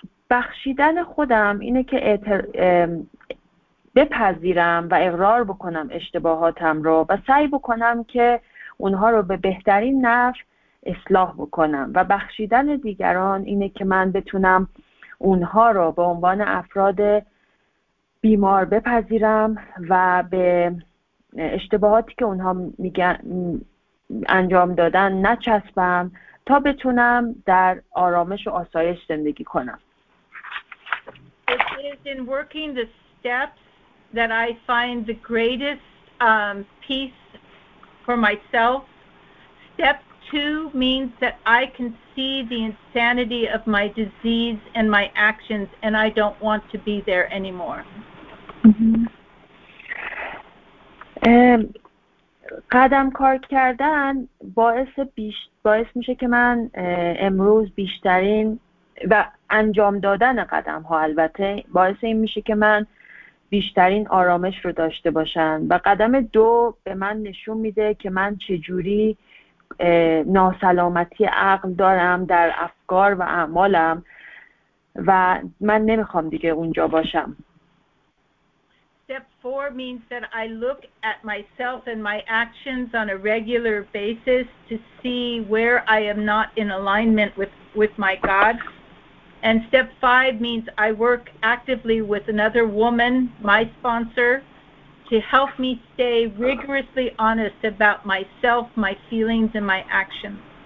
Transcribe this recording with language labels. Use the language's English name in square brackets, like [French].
[Persian] بخشیدن خودم اینه که بپذیرم و اقرار بکنم اشتباهاتم رو و سعی بکنم که اونها رو به بهترین نحو اصلاح بکنم، و بخشیدن دیگران اینه که من بتونم اونها رو به عنوان افراد بیمار بپذیرم و به اشتباهاتی که اونها میگن انجام دادن نچسبم تا بتونم در آرامش و آسایش زندگی کنم. [English] It is in working the steps that I find the greatest peace for myself. Step two means that I can see the insanity of my disease and my actions, and I don't want to be there anymore. [Persian] قدم کار کردن باعث میشه که من امروز بیشترین و انجام دادن قدم ها البته باعث این میشه که من بیشترین آرامش رو داشته باشم، و قدم دو به من نشون میده که من چجوری ناسلامتی عقل دارم در افکار و اعمالم و من نمیخوام دیگه اونجا باشم. [English] Step four means that I look at myself and my actions on a regular basis to see where I am not in alignment with my God. And step five means I work actively with another woman, my sponsor, to help me stay rigorously honest about myself, my feelings, and my actions.